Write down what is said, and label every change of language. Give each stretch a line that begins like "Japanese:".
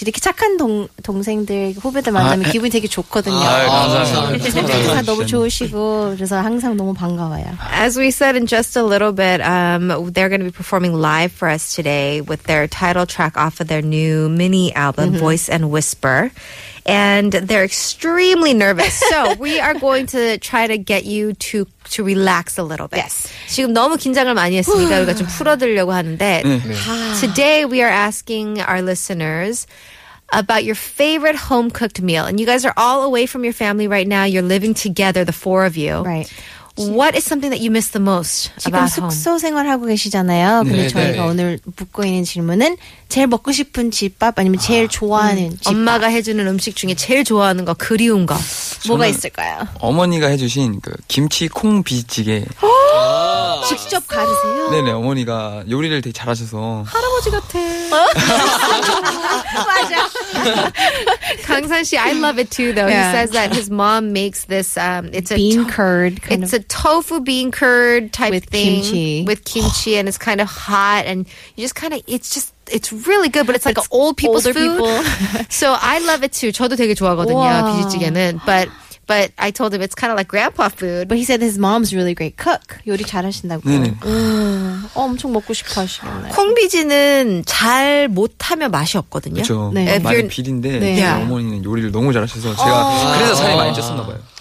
Korean: 이렇게 착한 동생들, 후배들 만나면 기분이 되게 좋거든요. 감사합니다. 너무 좋으시고, 그래서 항상 너무 반가워요.
English: As we said in just a little bit, they're going to be performing live for us today with their title track off of their new mini album, mm-hmm. Voice and Whisper. And they're extremely nervous. So we are going to try to get you to relax a little bit. Yes.
Korean: 지금 너무 긴장을 많이 했으니까 우리가 좀 풀어드리려고 하는데. 네, 네.
English: Today we are asking our listeners about your favorite home-cooked meal. And you guys are all away from your family right now. You're living together, the four of you. Right. What is something that you miss the most about home?
Korean: 지금 숙소 생활하고 계시잖아요. 근데 네, 저희가 네. 오늘 묻고 있는 질문은 제일 먹고 싶은 집밥 아니면 제일 좋아하는 집밥. 엄마가 해주는 음식 중에 제일 좋아하는 거, 그리운 거. 뭐가 있을까요? 어머니가 해주신 그 김치 콩비찌개. 직접 가르세요? 네네, 어머니가 요리를 되게 잘하셔서. 할아버지 같아. 맞아.
English: 강산 씨, I love it too though. Yeah. He says that his mom makes this, it's a bean curd. Kind it's of a tofu bean curd type with thing. With kimchi. With kimchi and it's kind of hot and you just kind of, it's just, it's really good, but it's like it's old people's older food. People. So I love it too.
Korean: 저도 되게 좋아하거든요, 비지찌개는.
English: But I told him it's kind of like grandpa food. But he said his mom's really great cook.
Korean: 요리 잘하신다고. 네네. 엄청 먹고 싶어 하시겠네. 콩비지는 잘 못하면 맛이 없거든요. 그렇죠. 네. 많이 비린데 네. 어머니는 요리를 너무 잘하셔서 제가 그래서 살이 많이 쪘었나 봐요.